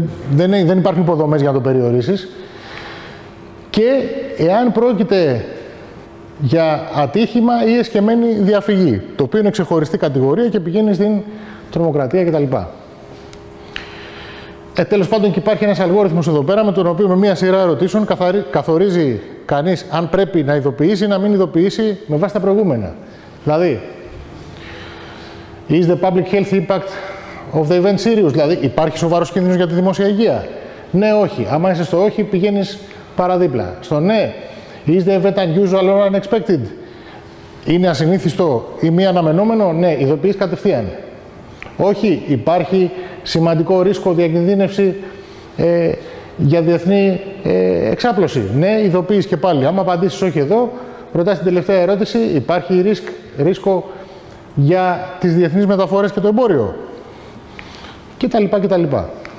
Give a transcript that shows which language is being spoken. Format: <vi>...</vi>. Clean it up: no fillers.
<el>Δεν υπάρχουν υποδομές για να το περιορίσεις. Και εάν πρόκειται για ατύχημα ή εσκεμμένη διαφυγή, το οποίο είναι ξεχωριστή κατηγορία και πηγαίνει στην τρομοκρατία κτλ. Τέλος πάντων, και υπάρχει ένας αλγόριθμος εδώ πέρα με τον οποίο με μία σειρά ερωτήσεων καθορίζει κανείς αν πρέπει να ειδοποιήσει ή να μην ειδοποιήσει με βάση τα προηγούμενα.</el> <en>Δηλαδή, is the public health impact of the event serious?</en> <el>Δηλαδή, υπάρχει σοβαρός κίνδυνος για τη δημόσια υγεία? Ναι, όχι. Άμα είσαι στο όχι, πηγαίνεις παραδίπλα. Στο ναι,</el> <en>is the event unusual or unexpected?</en> <el>Είναι ασυνήθιστο ή μη αναμενόμενο? Ναι, ειδοποιείς κατευθείαν. Όχι, υπάρχει σημαντικό ρίσκο διακινδύνευση για διεθνή εξάπλωση. Ναι, ειδοποιείς και πάλι. Άμα απαντήσεις όχι εδώ, ρωτάς την τελευταία ερώτηση, υπάρχει ρίσκο για τις διεθνείς μεταφορές και το εμπόριο. Και τα λοιπά και τα λοιπά.</el>